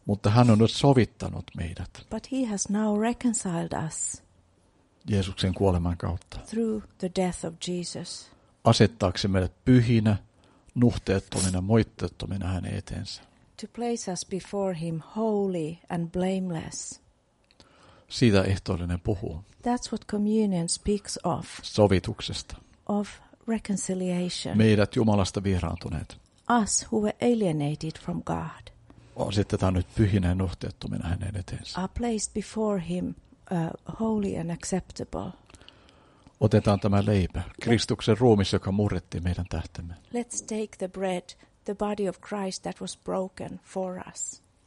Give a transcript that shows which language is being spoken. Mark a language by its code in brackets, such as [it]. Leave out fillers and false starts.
[fi] Mutta hän on nyt sovittanut meidät. [en] But he has now reconciled us. [fi] Jeesuksen kuoleman kautta. [en] Through the death of Jesus. [fi] Asettaakseen meidät pyhinä, nuhteettomina, moitteettomina hänen eteensä. [en] To place us before him holy and blameless. [fi] Siitä ehtoollinen puhuu. [en] That's what communion speaks of. [fi] Sovituksesta. [en] Of reconciliation. [fi] Meidät Jumalasta vieraantuneet. [en] Us who were alienated from God. [fi] Asetetaan nyt pyhinä ja nuhteettomina hänen eteensä. [en] Are placed before him holy and acceptable. [fi] Otetaan tämä leipä, Kristuksen ruumis, joka murretti meidän tähtemme. [en] Let's take the bread, the body of Christ that was broken for us.